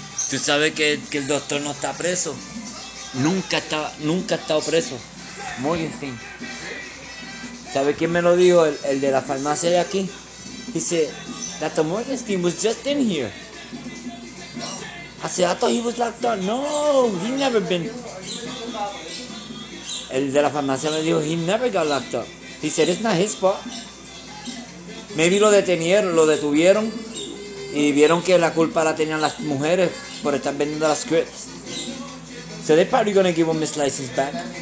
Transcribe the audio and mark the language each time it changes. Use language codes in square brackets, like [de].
[es] ¿Tú sabes que el doctor no está preso? Nunca ha estado preso. Morgenstein. ¿Sabe quién me lo dijo? El de la farmacia de aquí. Dice, Dr. [en] Morgenstein was just in here. I said, I thought he was locked up. No, he never been. [es] El de la farmacia me dijo, [en] he never got locked up. He said, it's not his fault. [es] Maybe lo detuvieron. Y vieron que la culpa la tenían las mujeres por estar vendiendo las scripts. [en] So they're probably going to give him his license back.